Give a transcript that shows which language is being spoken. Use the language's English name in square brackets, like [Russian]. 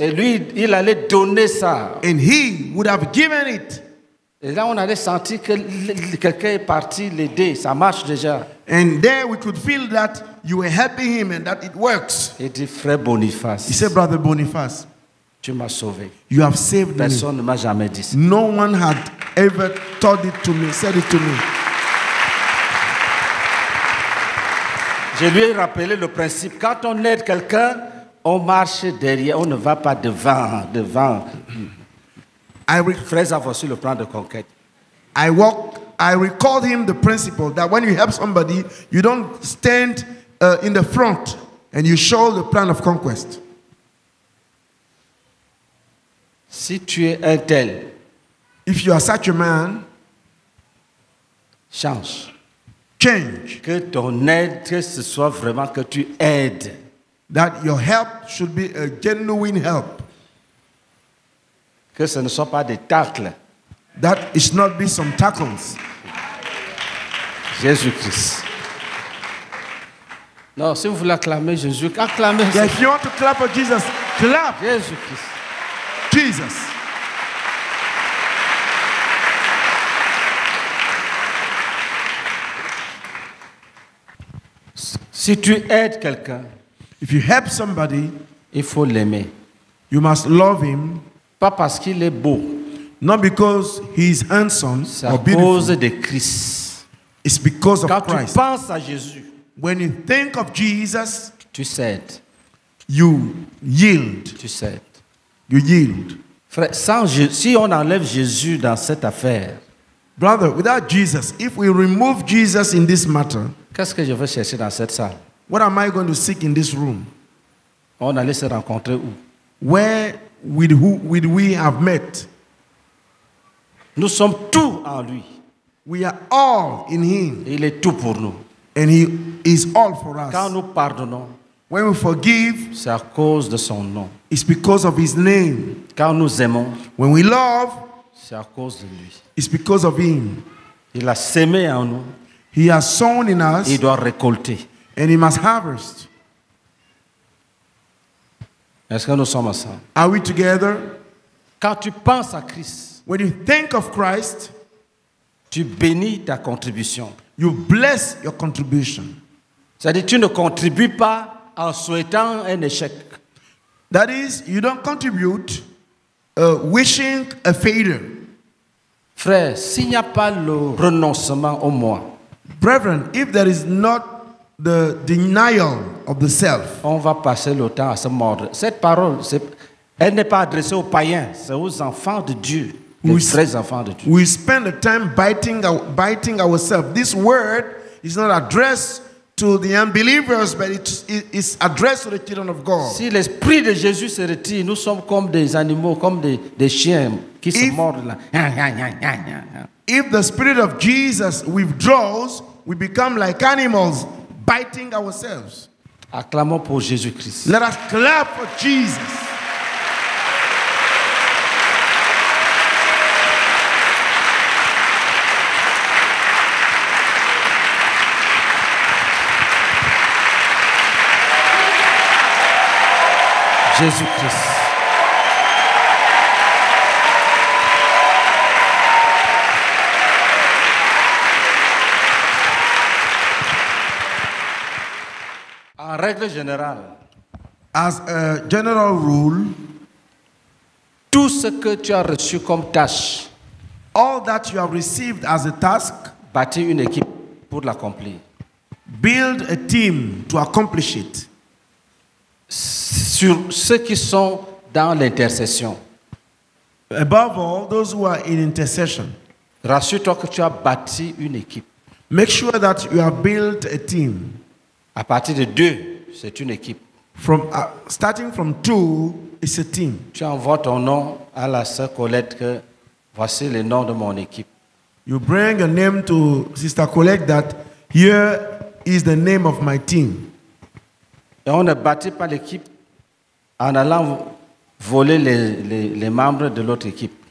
[French] Et lui, il allait donner ça. [English] And he would have given it. [French] Et là, on allait sentir que quelqu'un est parti l'aider. Ça marche déjà. [English] And there we could feel that you were helping him and that it works. [French] Il dit, frère Boniface. [English] He said, brother Boniface. [French] Tu m'as sauvé. [English] You have saved [French] personne Personne ne m'a jamais dit ça. [English] No one had ever told it to me, said it to me. [French] Je lui ai rappelé le principe. Quand on aide quelqu'un, on marche derrière. On ne va pas devant. Frère a reçu le plan de conquête. [English] I recalled him the principle that when you help somebody, you don't stand in the front and you show the plan of conquest. [French] Si tu es un tel, [English] if you are such a man, [French] change. [English] Change. [French] Que ton aide, que ce soit vraiment que tu aides. [English] That your help should be a genuine help. [French] Que ce ne soit pas des tacles. [English] That it should not be some tackles. [French] Jésus-Christ. Non, si vous voulez acclamer Jésus, acclamez. [English] Yeah, if you want to clap for Jesus, clap. [French] Jésus-Christ. [English] Jesus. [French] Si tu aides quelqu'un, [English] if you help somebody, [French] il faut l'aimer. [English] You must love him. [French] Pas parce qu'il est beau. [English] Not because he is handsome [French] c'est [English] or beautiful. [French] C'est à cause de Christ. [English] It's because of [French] quand [English] Christ. [French] Tu penses à Jésus, [English] when you think of Jesus, [French] tu cèdes. [English] You yield. [French] Tu cèdes. [English] You yield. [French] Frère, si on enlève Jésus dans cette affaire, [English] brother, without Jesus, if we remove Jesus in this matter, [French] qu'est-ce que je vais chercher dans cette salle? [English] What am I going to seek in this room? [French] On allait se rencontrer où? [English] Where with who would we have met? [French] Nous sommes tout en lui. [English] We are all in him. [French] Il est tout pour nous. [English] And he is all for us. [French] Quand nous pardonnons, [English] when we forgive, [French] c'est à cause de son nom. [English] It's because of his name. [French] Quand nous aimons, [English] when we love, [French] c'est à cause de lui. [English] It's because of him. [French] Il a semé en nous. [English] He has sown in us. [French] Il doit récolter. [English] And he must harvest. [French] Est-ce que nous sommes ensemble? [English] Are we together? [French] Quand tu penses à Christ, [English] when you think of Christ, [French] tu bénis ta contribution. [English] You bless your contribution. [French] C'est-à-dire, tu ne contribues pas en souhaitant un échec. [English] That is, you don't contribute wishing a failure. [French] Frère, s'il n'y a pas le renoncement au moi, [English] brethren, if there is not the denial of the self, [French] on va passer le temps à se mordre. Cette parole, elle n'est pas adressée aux païens, c'est aux enfants de Dieu. [English] We spend the time biting ourselves. This word is not addressed to the unbelievers, but it's addressed to the children of God. [French] Si l'esprit de Jésus se retire, nous sommes comme des animaux, comme des chiens qui se mordent là. [English] If the spirit of Jesus withdraws, we become like animals biting ourselves. [French] Acclamons pour Jésus-Christ. [English] Let us clap for Jesus. [French] Jésus-Christ. En règle générale, [English] as a general rule, [French] tout ce que tu as reçu comme tâche, [English] all that you have received as a task, [French] bâtir une équipe pour l'accomplir. [English] Build a team to accomplish it. [French] Sur ceux qui sont dans l'intercession. [English] Above all, those who are in intercession. [French] Rassure-toi que tu as bâti une équipe. [English] Make sure that you have built a team. [French] À partir de deux, c'est une équipe. [English] Starting from two, it's a team. [French] Tu envoies ton nom à la sœur Colette que voici le nom de mon équipe. [English] You bring a name to Sister Colette that here is the name of my team. [French] Et on ne bâtit pas l'équipe en allant voler les membres de l'autre équipe.